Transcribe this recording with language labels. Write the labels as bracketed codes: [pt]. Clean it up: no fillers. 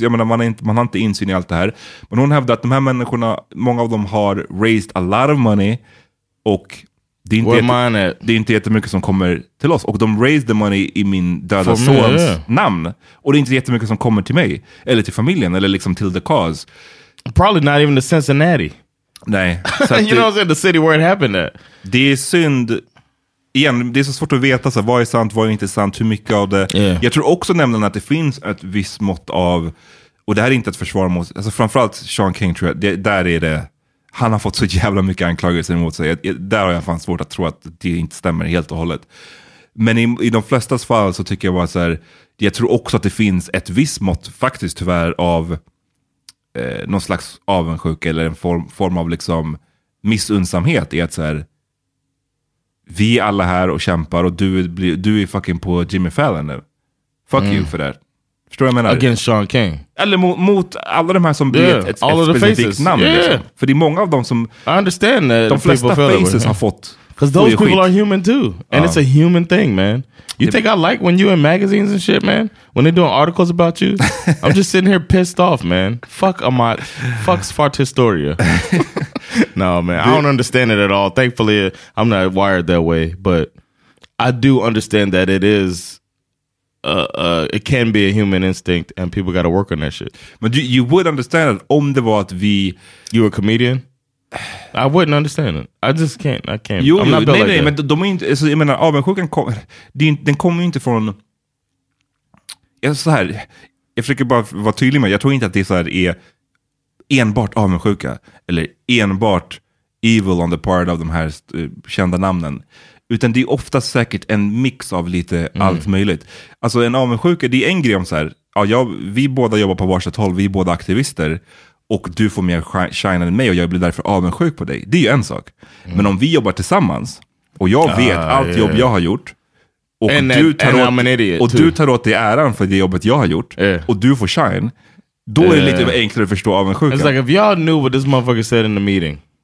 [sv] Jag menar, man har inte insyn i allt det här. Men hon hävdar att de här människorna, många av dem har [en] raised a lot of money [sv] och det är inte jättemycket som kommer till oss. Och de [en] raised the money [sv] i min döda sons namn. Och det är inte jättemycket som kommer till mig eller till familjen eller liksom till [en] the cause. Probably not even to Cincinnati. [sv] Nej. Så [en] you know what I'm saying? The city where it happened at. [sv] Det är synd. Igen, det är så svårt att veta så vad är sant, vad är inte sant, hur mycket av det. [en] Yeah. [sv] Jag tror också nämligen att det finns ett visst mått av, och det här är inte ett försvar mot, alltså framförallt Sean King tror jag, det, där är det, han har fått så jävla mycket anklagelser emot sig. Där har jag fan svårt att tro att det inte stämmer helt och hållet. Men i de flesta fall så tycker jag bara så här, jag tror också att det finns ett visst mått faktiskt tyvärr av någon slags avundsjuk eller en form av liksom missunnsamhet i att så här, vi är alla här och kämpar och du är fucking på Jimmy Fallon nu. [en] Fuck you for that. [sv] Förstår du vad jag menar? [en] Against Sean King. [sv] Eller mot alla de här som blir ett specifikt namn. [en] Yeah. [sv] Liksom. För det är många av dem som [en] I understand that [sv] de flesta faces [en] that [sv] har fått. [en] Because those people are human too. And it's a human thing, man. You think I like when you in magazines and shit, man? When they're doing articles about you? I'm just sitting here pissed off, man. Fuck Ahmad. Fuck Sfartistoria. No, man. I don't understand it at all. Thankfully, I'm not wired that way. But I do understand that it is... it can be a human instinct and people got to work on that shit. But you would understand it [sv] om det var att vi... [en] You were a comedian? I wouldn't understand it. I just can't. I can't. [sv] Jo, [en] I'm not built that. [sv] Nej, men de är inte, jag menar, avundsjukan kommer, den kommer ju inte från, jag så här, jag försöker bara vara tydlig med, jag tror inte att det är så här är enbart avundsjuka eller enbart [en] evil on the part of [sv] de här kända namnen, utan det är ofta säkert en mix av lite allt möjligt. Alltså en avundsjuka, det är en grej om så här, ja, vi båda jobbar på varsitt håll, vi är båda aktivister. Och du får mer shine än mig och jag blir därför avundsjuk på dig. Det är ju en sak. Men om vi jobbar tillsammans och jag vet allt jobb jag har gjort och, du tar åt dig äran för det jobbet jag har gjort och du får shine, då är det lite enklare att förstå avundsjuka. [en] It's like if y'all knew what this motherfucker said in the meeting.